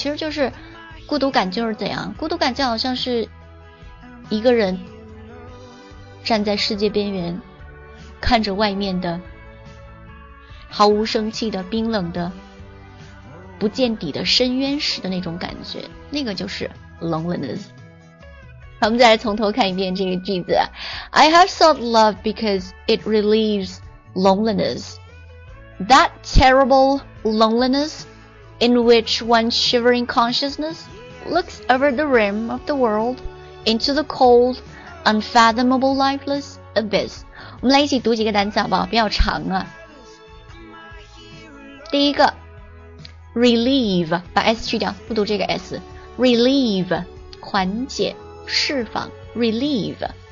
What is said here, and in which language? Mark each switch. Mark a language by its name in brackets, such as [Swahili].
[Chinese] 其实就是孤独感，就是怎样，孤独感就好像是一个人站在世界边缘看着外面的毫无生气的冰冷的不见底的深渊时的那种感觉，那个就是 loneliness。我们再来从头看一遍这个句子。 [English] I have sought love because it relieves loneliness. That terrible loneliness in which one's shivering consciousness looks over the rim of the worldInto the cold, unfathomable, lifeless abyss. [Chinese] 我们来一起读几个单词好不好？比较长啊。第一个 ，relieve， 把 s 去掉，不读这个 s。 relieve， 缓解、释放。relieve。